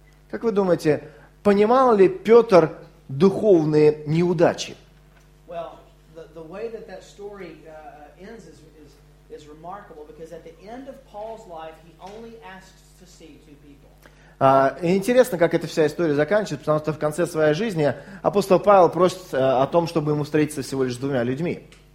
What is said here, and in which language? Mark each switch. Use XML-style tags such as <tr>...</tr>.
<ru>Как вы думаете, понимал ли Петр духовные неудачи?</ru> <en>Well, the way that that story ends is remarkable because at the end of Paul's life he only asks to see two people.</en> <ru>Интересно, как эта вся история заканчивается, потому что в конце своей жизни апостол Павел просит о том, чтобы ему встретиться всего лишь с двумя людьми.</ru>